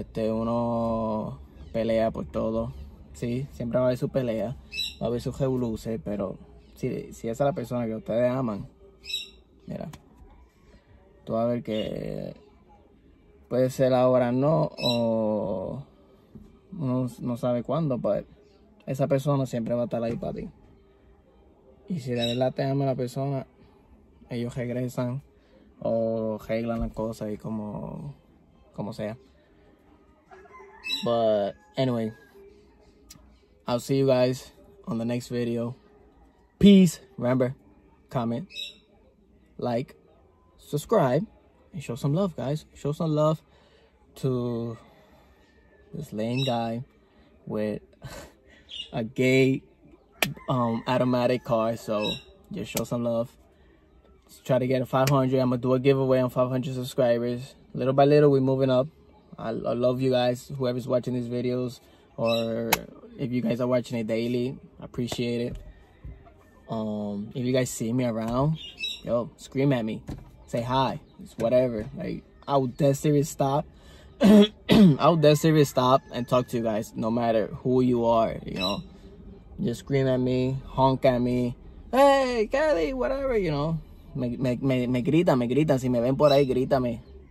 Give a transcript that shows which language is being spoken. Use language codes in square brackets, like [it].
[es] Uno pelea por todo. Sí, siempre va a haber su pelea, va a haber su revoluce, pero si esa es la persona que ustedes aman, mira, tú vas a ver que puede ser ahora no, o uno no sabe cuándo, pero esa persona siempre va a estar ahí para ti. Y si de verdad te ama la persona, ellos regresan o arreglan las cosas y como sea. [en] But anyway, I'll see you guys on the next video. Peace. Remember, comment, like, subscribe, and show some love, guys. Show some love to this lame guy with a gay automatic car. So just show some love. Let's try to get a 500. I'm gonna do a giveaway on 500 subscribers. Little by little, we're moving up. I love you guys, whoever's watching these videos, or if you guys are watching it daily, I appreciate it. If you guys see me around, yo, scream at me, say hi, it's whatever. Like, I'll dead serious stop. I'll dead serious stop and talk to you guys, no matter who you are, you know. Just scream at me, honk at me, hey, Kelly, whatever, you know. [es] Me grita, si me ven por ahí, grítame.